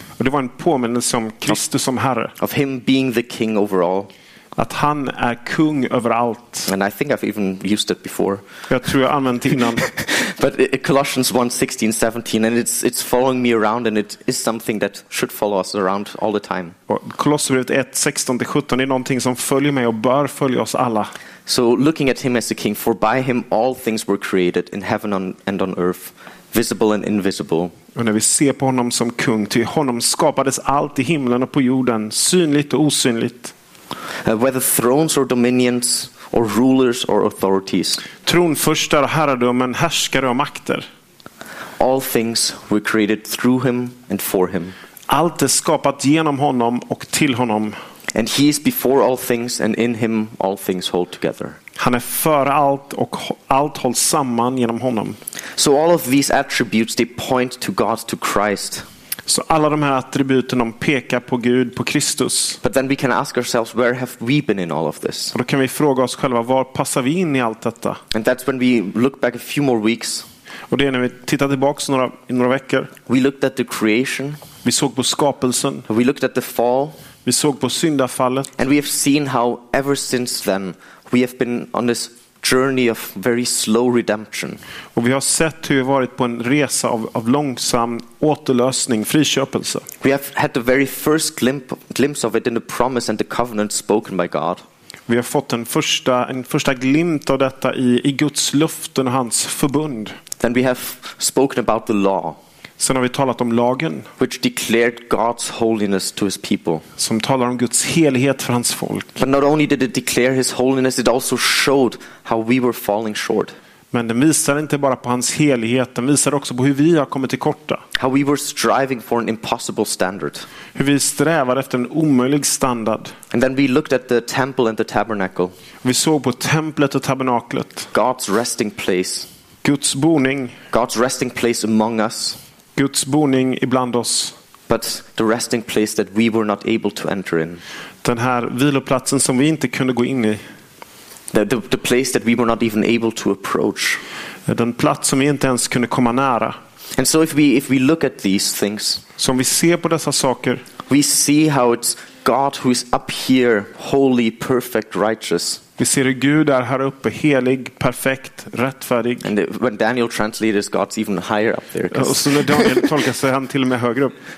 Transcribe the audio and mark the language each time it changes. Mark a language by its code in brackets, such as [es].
[sv] Och det var en påminnelse om Kristus som herre. [en] Of him being the king over all. [sv] Att han är kung över allt. [en] And I think I've even used it before. [sv] Jag tror jag använt det innan. [en] But Colossians 1:16-17 and it's following me around and it is something that should follow us around all the time. [sv] Kolosserbrevet 1:16-17 är någonting som följer mig och bör följa oss alla. [en] So looking at him as the king, for by him all things were created in heaven and on earth, visible and invisible. [sv] Och när vi ser på honom som kung, till honom skapades allt i himlen och på jorden, synligt och osynligt. [en] Whether thrones or dominions or rulers or authorities. [sv] Tronförstar och herradömen, härskare och makter. [en] All things were created through him and for him. [sv] Allt är skapat genom honom och till honom. [en] And he is before all things and in him all things hold together. [sv] Han är för allt och allt hålls samman genom honom. [en] So all of these attributes they point to God, to Christ. [sv] Så alla de här attributen de pekar på Gud, på Kristus. [en] But then we can ask ourselves, where have we been in all of this? [sv] Och då kan vi fråga oss själva, var passar vi in i allt detta? [en] And that's when we look back a few more weeks. [sv] Och det är när vi tittar tillbaka några veckor. [en] We looked at the creation. [sv] Vi såg på skapelsen. [en] We looked at the fall. [sv] Vi såg på syndafallet. [en] And we have seen how ever since then we have been on this journey of very slow redemption. [sv] Och vi har sett hur vi har varit på en resa av långsam återlösning, friköpelse. [en] We have had the very first glimpse of it in the promise and the covenant spoken by God. [sv] Vi har fått en första glimt av detta i Guds löften och hans förbund. [en] Then we have spoken about the law. [sv] Sen har vi talat om lagen, [en] which declared God's holiness to his people. [sv] Som talar om Guds helhet för hans folk. [en] But not only did it declare his holiness, it also showed how we were falling short. [sv] Men den visar inte bara på hans helhet, den visar också på hur vi har kommit till korta. [en] How we were striving for an impossible standard. [sv] Hur vi strävar efter en omöjlig standard. [en] And then we looked at the temple and the tabernacle. [sv] Vi såg på templet och tabernaklet. [en] God's resting place. [sv] Guds boning. [en] God's resting place among us. [sv] Guds boning ibland oss. [en] But the resting place that we were not able to enter in. [sv] Den här viloplatsen som vi inte kunde gå in i. [en] The place that we were not even able to approach. [sv] Den plats som vi inte ens kunde komma nära. [en] And so if we look at these things. [sv] Så om vi ser på dessa saker. [en] We see how it's God who is up here, holy, perfect, righteous. [sv] Vi ser hur Gud är här uppe, helig, perfekt, rättfärdig. [en] And when Daniel translates, God's even higher up there. [sv] Och så när Daniel tolkar sig han till och med högre upp.